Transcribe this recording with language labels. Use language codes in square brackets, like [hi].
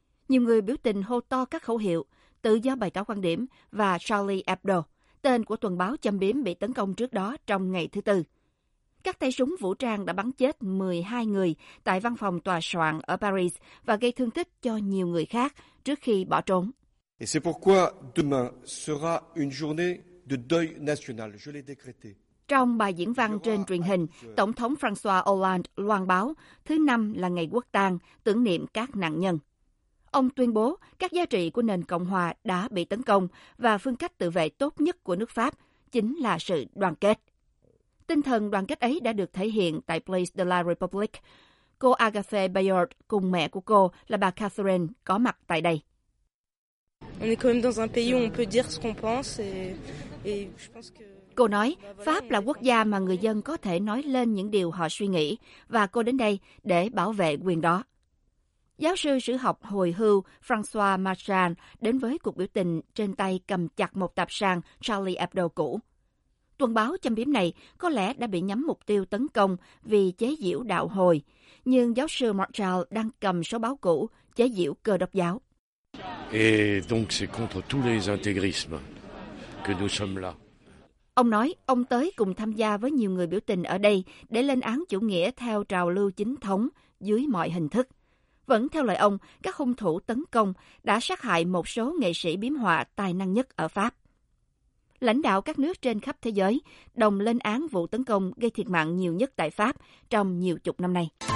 [vi] nhiều người biểu tình hô to các khẩu hiệu Tự do bày tỏ quan điểm và Charlie Hebdo, tên của tuần báo châm biếm bị tấn công trước đó trong ngày thứ Tư. Các tay súng vũ trang đã bắn chết 12 người tại văn phòng tòa soạn ở Paris và gây thương tích cho nhiều người khác trước khi bỏ trốn. [fr] Et c'est pourquoi demain sera une journée de deuil national, je l'ai décrété. [vi] Trong bài diễn văn trên truyền hình, Tổng thống François Hollande loan báo thứ Năm là ngày quốc tang tưởng niệm các nạn nhân. Ông tuyên bố các giá trị của nền Cộng hòa đã bị tấn công và phương cách tự vệ tốt nhất của nước Pháp chính là sự đoàn kết. Tinh thần đoàn kết ấy đã được thể hiện tại Place de la République. Cô Agathe Bayard cùng mẹ của cô là bà Catherine có mặt tại đây. [fr] On est quand même dans un pays où on peut dire ce qu'on pense et je pense que... [vi] Cô nói, Pháp là quốc gia mà người dân có thể nói lên những điều họ suy nghĩ, và cô đến đây để bảo vệ quyền đó. Giáo sư sử học hồi hưu François Marchand đến với cuộc biểu tình trên tay cầm chặt một tạp sàn Charlie Hebdo cũ. Tuần báo châm biếm này có lẽ đã bị nhắm mục tiêu tấn công vì chế giễu đạo Hồi, nhưng giáo sư Marchand đang cầm số báo cũ chế giễu Cơ Đốc giáo. [fr] Et donc c'est contre tous les intégrismes que nous sommes là. [vi] Ông nói ông tới cùng tham gia với nhiều người biểu tình ở đây để lên án chủ nghĩa theo trào lưu chính thống dưới mọi hình thức. Vẫn theo lời ông, các hung thủ tấn công đã sát hại một số nghệ sĩ biếm họa tài năng nhất ở Pháp. Lãnh đạo các nước trên khắp thế giới đồng lên án vụ tấn công gây thiệt mạng nhiều nhất tại Pháp trong nhiều chục năm nay.